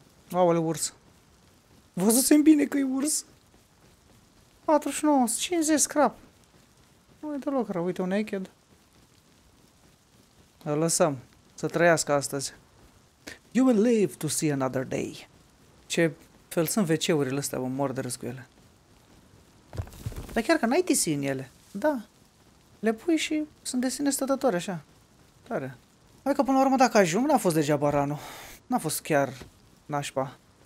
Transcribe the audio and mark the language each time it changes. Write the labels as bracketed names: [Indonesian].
[Romanian] Aoleu, urs. Văzusem bine că e urs. 49, 50 scrap. Nu e deloc rău, uite un naked. Îl lăsăm să trăiască astăzi. [English] You will live to see another day. [Romanian] Ce fel sunt WC-urile astea, mă mor de râs cu ele. Dar chiar că n-ai TC în ele. Da. Le pui și sunt de sine stătători, așa. Tare. Hai că până la urmă dacă ajung, n-a fost degeaba ranul. N-a fost chiar Nașpa.